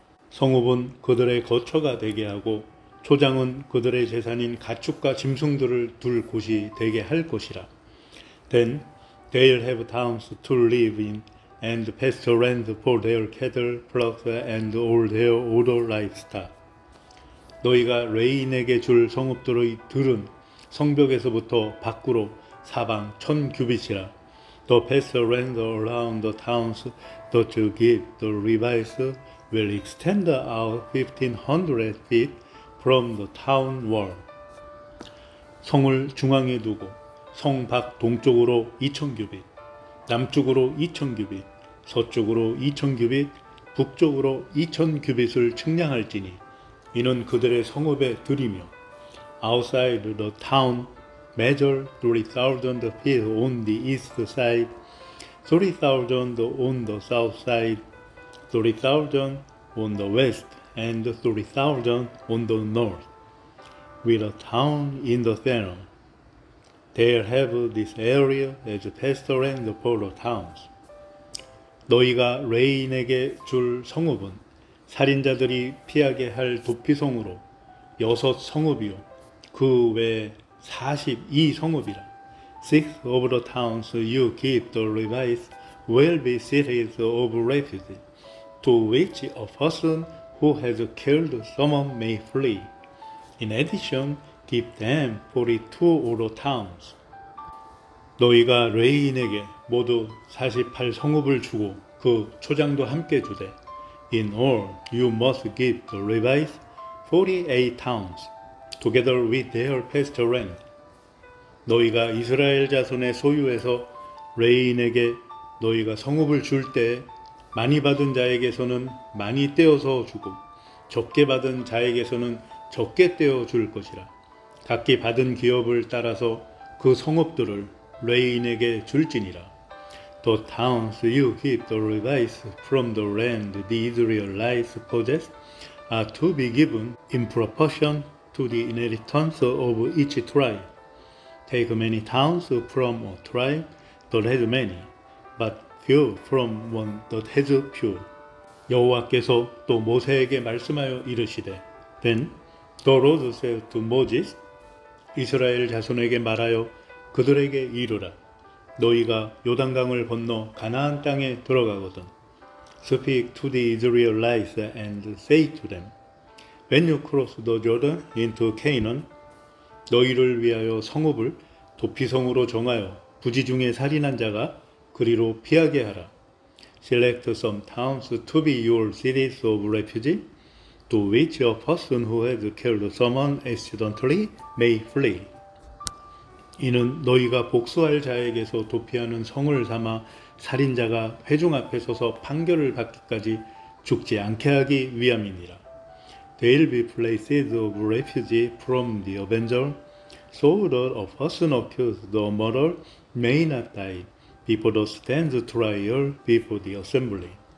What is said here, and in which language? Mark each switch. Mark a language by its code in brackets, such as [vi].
[ko] 성읍은 그들의 거처가 되게 하고 초장은 그들의 재산인 가축과 짐승들을 둘 곳이 되게 할 것이라. [en] Then they'll have towns to live in and pasture land for their cattle, flocks, and all their older livestock. [ko] 너희가 레인에게 줄 성읍들의 들은 성벽에서부터 밖으로 사방 천 규빗이라. [en] The pasture land around the towns that you give the Levites will extend out 1500 feet from the town wall. [ko] 성을 중앙에 두고 성 밖 동쪽으로 2000 규빗, 남쪽으로 2000 규빗, 서쪽으로 2000 규빗, 북쪽으로 2000 규빗을 측량할지니, 이는 그들의 성읍에 들이며, [en] Outside the town, measure 3000 feet on the east side, 3000 on the south side, 3000 on the west, and 3000 on the north, with a town in the center. They'll have this area as a pasture and for the towns. [ko] 너희가 레인에게 줄 성읍은 살인자들이 피하게 할 도피성으로 여섯 성읍이요 그 외 42 성읍이라. [en] Six of the towns you give the Levites will be cities of refuge to which a person who has killed someone may flee. In addition, give them 42 of the towns. [ko] 너희가 레인에게 모두 48 성읍을 주고 그 초장도 함께 주되, [en] In all, you must give the Levites 48 towns, together with their pasture land. [ko] 너희가 이스라엘 자손의 소유에서 레인에게 너희가 성읍을 줄 때 많이 받은 자에게서는 많이 떼어서 주고 적게 받은 자에게서는 적게 떼어 줄 것이라. 각기 받은 기업을 따라서 그 성읍들을 레인에게 줄지니라. [en] The towns you give the Levites from the land the Israelites possess are to be given in proportion to the inheritance of each tribe. Take many towns from a tribe that has many, but few from one that has few. [ko] 여호와께서 또 모세에게 말씀하여 이르시되, [en] Then the Lord said to Moses, [ko] 이스라엘 자손에게 말하여 그들에게 이르라. 너희가 요단강을 건너 가나안 땅에 들어가거든. [en] Speak to the Israelites and say to them, When you cross the Jordan into Canaan, [ko] 너희를 위하여 성읍을 도피성으로 정하여 부지 중에 살인한 자가 그리로 피하게 하라. [en] Select some towns to be your cities of refuge, to which a person who has killed someone accidentally may flee. [ko] 이는 너희가 복수할 자에게서 도피하는 성을 삼아 살인자가 회중 앞에 서서 판결을 받기까지 죽지 않게 하기 위함이니라. [en] They'll be places of refuge from the avenger, so that a person accused the murderer may not die before the stand trial before the assembly.